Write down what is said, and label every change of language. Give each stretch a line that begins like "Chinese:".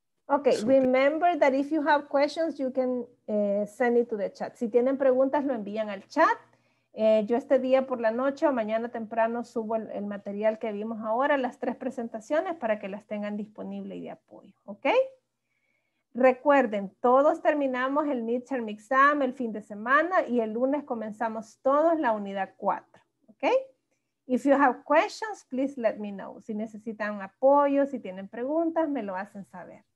English: Okay, remember that if you have questions, you can send it to the chat.
Spanish: Si tienen preguntas, lo envían al chat. Yo este día por la noche o mañana temprano subo el material que vimos ahora, las 3 presentaciones, para que las tengan disponible y de apoyo, ¿ok? Recuerden, todos terminamos el midterm exam el fin de semana y el lunes comenzamos todos la unidad 4, ¿ok?
English: If you have questions, please let me know.
Spanish: Si necesitan apoyo, si tienen preguntas, me lo hacen saber.